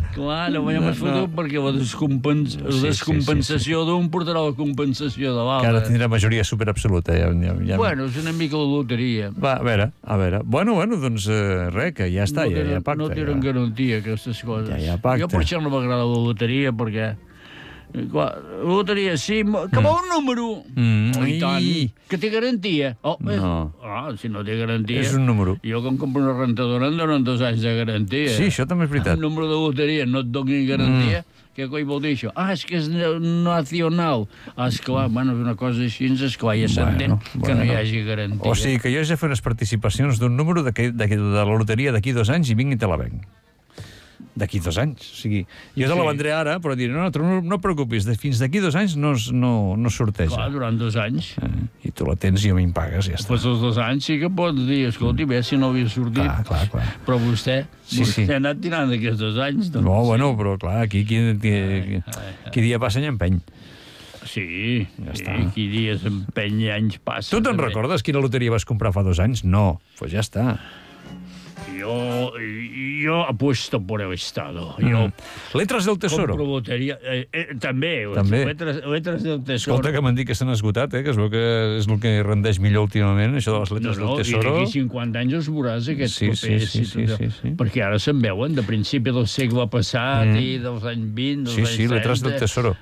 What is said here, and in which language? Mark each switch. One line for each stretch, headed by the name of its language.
Catalan: Clar, no m'ho has fotut perquè la descompensació d'un portarà la compensació de que ara tindrà majoria superabsoluta. Bueno, és una mica la loteria. Va, a veure. Bueno, doncs res, que ja està, ja hi ha pacte. No tenen garantia aquestes coses. Ja hi ha pacte. Jo per això no m'agrada la loteria, perquè... La loteria, sí, que va un número. I tant. Que té garantia. Si no té garantia... És un número. Jo, quan compro una rentadora, em donen 2 anys de garantia. Sí, això també és veritat. Un número de loteria, no et doni garantia. Què coi vol dir això? Ah, és que és nacional. Esclar, una cosa així, esclar, ja s'entén que no hi hagi garantia. O sigui, que jo ja faré unes participacions d'un número de la loteria d'aquí 2 anys i vinc i te la venc. D'aquí 2 anys. O sigui, jo te la vendré ara, però diré, no et preocupis, fins d'aquí 2 anys no sorteja. Clar, durant 2 anys. I tu la tens i a mi em pagues, ja està. Doncs els 2 anys sí que pots dir, escolti, bé, si no havia sortit. Clar. Però vostè ha anat tirant aquests 2 anys. Doncs, no, bueno, però clar, aquí qui dia passa any empeny. Sí, ja està. Qui dia empeny i anys passa. Tu te'n recordes quina loteria vas comprar fa 2 anys? No, doncs ja està.
Spanish: Yo apuesto por el Estado. Letras del Tesoro.
Catalan: Compro loteria. També.
Spanish: Letras del Tesoro.
Catalan: Escolta, que m'han dit que s'han esgotat, que es veu que és el que rendeix millor últimament, això de les Letras del Tesoro. No, i d'aquí 50 anys es veuràs aquest paper. Sí. Perquè ara se'n veuen, de principi del segle passat i dels anys 20, dels anys 30. Sí, Letras del Tesoro.